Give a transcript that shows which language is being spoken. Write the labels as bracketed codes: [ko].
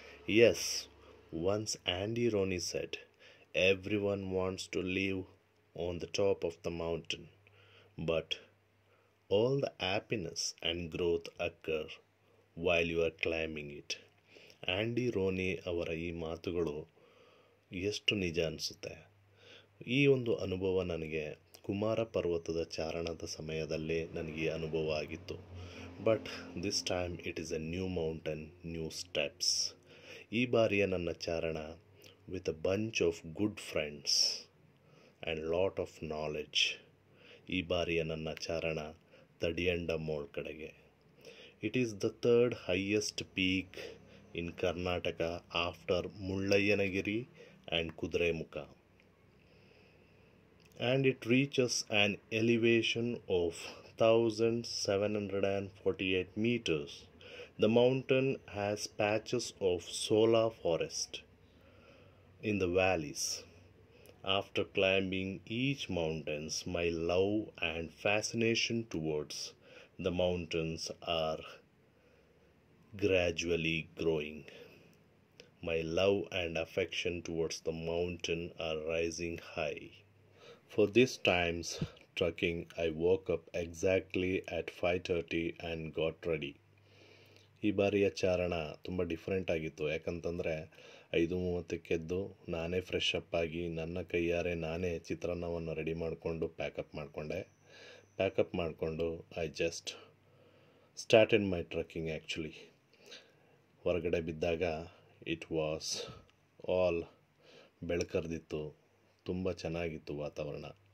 [en] Yes, once Andy Roney said, everyone wants to live on the top of the mountain, but all the happiness and growth occur while you are climbing it. [kn] Andy Roney ಅವರ ಈ ಮಾತುಗಳು ಎಷ್ಟು ನಿಜ ಅನಿಸುತ್ತೆ. ಈ ಒಂದು ಅನುಭವ ನನಗೆ ಕುಮಾರ ಪರ್ವತದ ಚಾರಣದ ಸಮಯದಲ್ಲಿ ನನಗೆ ಅನುಭವ ಆಗಿತ್ತು. [en] But this time it is a new mountain, new steps. [kn] ಈ ಬಾರಿಯ ನನ್ನ ಚಾರಣ [en] With a bunch of good friends and lot of knowledge. [kn] ಈ ಬಾರಿಯ ನನ್ನ ಚಾರಣ ತಡಿಯಂಡಮೋಳ್ ಕಡೆಗೆ. [en] It is the third highest peak in Karnataka after Mullayanagiri and Kudremukh. And it reaches an elevation of 1,748 meters. The mountain has patches of solar forest in the valleys. After climbing each mountain, my love and fascination towards the mountains are gradually growing. My love and affection towards the mountain are rising high. For this time's trekking, I woke up exactly at 5:30 and got ready. [kn] ಈ ಬಾರಿಯ ಚಾರಣ ತುಂಬ ಡಿಫ್ರೆಂಟಾಗಿತ್ತು. ಯಾಕಂತಂದರೆ 5:30 ನಾನೇ fresh up ಆಗಿ ನನ್ನ ಕೈಯಾರೆ ನಾನೇ ಚಿತ್ರಾನ್ನವನ್ನು ರೆಡಿ ಮಾಡಿಕೊಂಡು ಪ್ಯಾಕಪ್ ಮಾಡಿಕೊಂಡೆ. ಪ್ಯಾಕಪ್ ಮಾಡಿಕೊಂಡು [en] I just start in my trekking. [kn] Actually ಹೊರಗಡೆ ಬಿದ್ದಾಗ [en] it was all [kn] ಬೆಳಕರೆದಿತ್ತು, ತುಂಬ ಚೆನ್ನಾಗಿತ್ತು ವಾತಾವರಣ.